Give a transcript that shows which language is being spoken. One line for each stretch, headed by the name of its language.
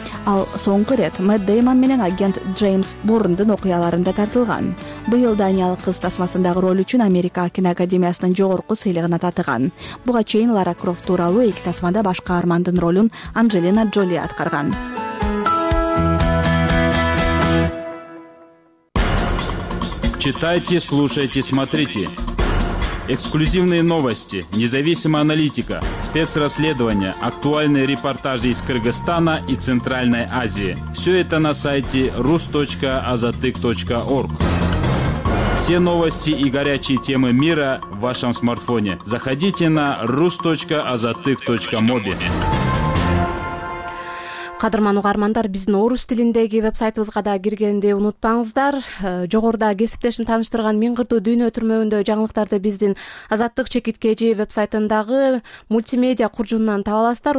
Kyrgyz: Ал соңку ирет Мэтт Дэймон менен агент Джеймс Борндун окуяларында тартылган. Быйыл даниялык кыз тасмасындагы роль үчүн Америка киноакадемиясынын жогорку сыйлыгына татыган. Буга чейин Лара Крофт тууралуу эки тасмада баш каармандын ролун Анжелина Джоли аткарган.
Russian: Читайте, слушайте, смотрите. Эксклюзивные новости, независимая аналитика, спецрасследования, актуальные репортажи из Кыргызстана и Центральной Азии. Все это на сайте rus.azatyk.org. Все новости и горячие темы мира в вашем смартфоне. Заходите на rus.azatyk.mobi.
Kyrgyz: Кадырман угармандар, биздин орус тилиндеги вебсайтыбызга да киргенди унутпаңыздар. Жогоруда кесиптешин тааныштырган Миңгырдуу дүйнө өтүрмөгүндө жаңылыктарды биздин Азаттык Чекит КЖ вебсайтындагы мультимедиа куржунунан таба аласыздар.